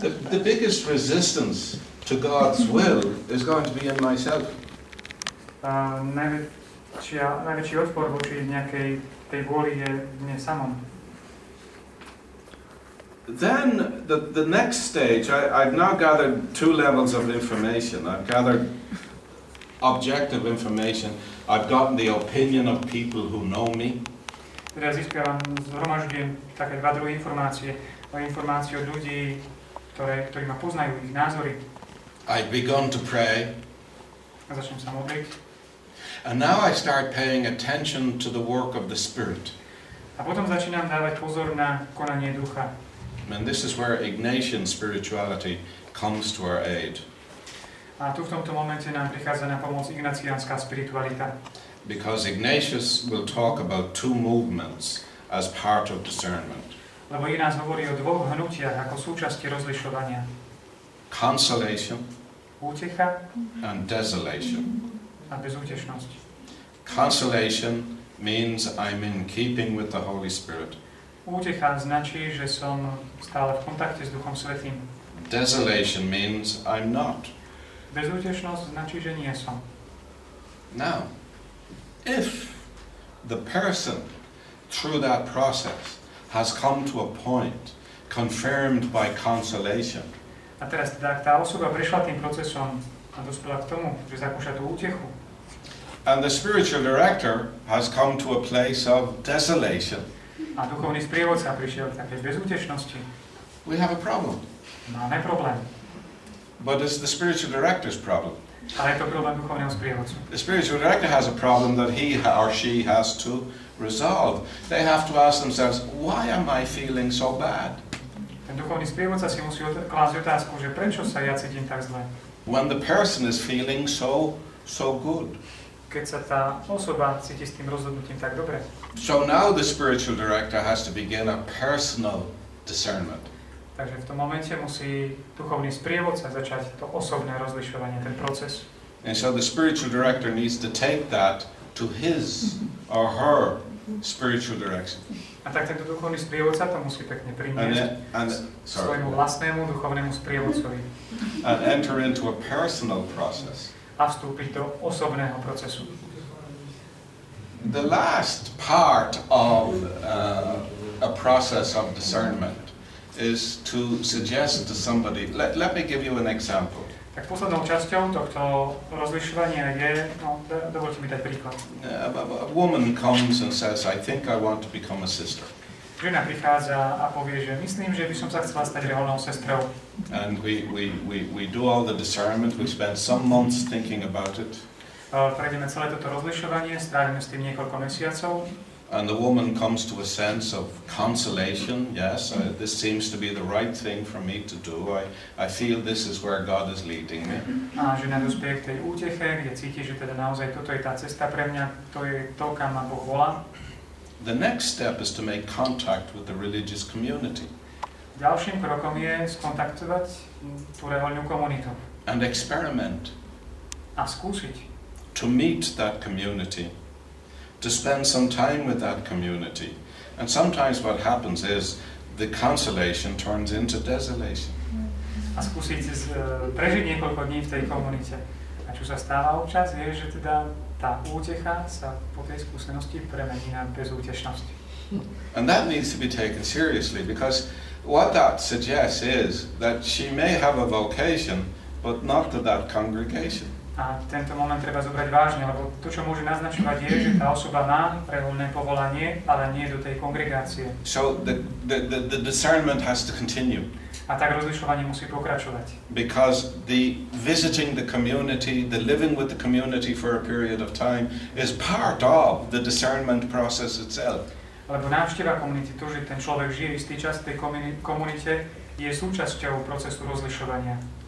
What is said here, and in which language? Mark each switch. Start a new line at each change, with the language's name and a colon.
English: The biggest resistance to God's will is going to be in myself.
Slovak: Najväčší odpor voči nejakej tej vôli je v mne samom.
English: Then the next stage, I've now gathered 2 levels of information. I've gathered objective information. I've gotten the opinion of people who know me.
Slovak: Teda získavam, zhromažďujem také 2 druhé informácie. Informácie od ľudí, ktorí ma poznajú, ich názory.
English: I've begun to pray.
Slovak: A začnem sa modliť.
English: And now I start paying attention to the work of the Spirit.
Slovak: A potom začínam dávať pozor na konanie Ducha.
English: And this is where Ignatian spirituality comes to our aid.
Slovak: A tu v tomto momente nám prichádza na pomoc ignaciánska spiritualita.
English: Because Ignatius will talk about 2 movements as part of discernment.
Slovak: Lebo Jináš hovorí o dvoch hnutiach ako súčasti rozlišovania.
English: Consolation.
Slovak: Útecha.
English: And desolation.
Slovak: A bezútešnosť.
English: Consolation means I'm in keeping with the Holy Spirit.
Slovak: Útecha značí, že som stále v kontakte s Duchom Svätým.
English: Desolation means I'm not.
Slovak: Bezútešnosť značí, že nie som.
English: Now, if the person through that process has come to a point confirmed by consolation.
Slovak: A teraz teda, ak tá osoba prešla tým procesom a dospela k tomu, že zakúša tú útechu.
English: And the spiritual director has come to a place of desolation.
Slovak: A duchovný sprievodca prišiel k takej bezútešnosti.
English: We have a problem.
Slovak: Máme problém.
English: But it's the spiritual director's problem.
Slovak: Ale je to problém duchovného sprievodcu.
English: The spiritual director has a problem that he or she has to resolve. They have to ask themselves, why am I feeling so bad?
Slovak: Ten duchovný sprievodca si musí klásť otázku, že prečo sa ja cítim tak zle?
English: When the person is feeling so good.
Slovak: Keď sa tá osoba cíti s tým rozhodnutím tak dobre.
English: So now the spiritual director has to begin a personal discernment.
Slovak: Takže v tom momente musí duchovný sprievodca začať to osobné rozlišovanie, ten proces.
English: And so the spiritual director needs to take that to his or her spiritual direction.
Slovak: A tak tento duchovný sprievodca to musí pekne priniesť svojmu vlastnému duchovnému sprievodcovi.
English: And enter into a personal process.
Slovak: A vstúpiť do osobného procesu.
English: The last part of a process of discernment is to suggest to somebody, let me give you an example.
Slovak: Tak poslednou časťou tohto rozlišovania je, dovolte mi dať príklad.
English: A woman comes and says, I think I want to become a sister.
Slovak: Žena prichádza a povie, že myslím, že by som sa chcela stať reholnou sestrou.
English: And we do all the discernment, we spend some months thinking about it.
Slovak: Prejdeme celé toto rozlišovanie, strávime s tým niekoľko mesiacov.
English: And the woman comes to a sense of consolation. Yes, this seems to be the right thing for me to do. I feel this is where God is leading me.
Slovak: A žena dospie k tej úteche, kde cíti, že teda naozaj toto je tá cesta pre mňa, to je to, kam ma Boh volá.
English: The next step is to make contact with the religious community.
Slovak: Ďalším krokom je skontaktovať tú reholnú komunitu.
English: And experiment.
Slovak: A skúsiť.
English: To meet that community. To spend some time with that community. And sometimes what happens is the consolation turns into desolation.
Slovak: A skúsiť prežiť niekoľko dní v tej komunite. A čo sa stáva občas, je, že teda tá útecha sa po tej skúsenosti premení na bezútešnosť.
English: And that needs to be taken seriously, because what that suggests is that she may have a vocation, but not to that congregation.
Slovak: A tento moment treba zobrať vážne, lebo to, čo môže naznačovať, je, že tá osoba má reholné povolanie, ale nie do tej kongregácie.
English: So the discernment has to continue.
Slovak: A tak rozlišovanie musí pokračovať.
English: Because the visiting the community, the living with the community for a period of time is part of the discernment process itself.
Slovak: Lebo návšteva komunity, to, že ten človek žije istý čas v tej komunite, je súčasťou procesu rozlišovania.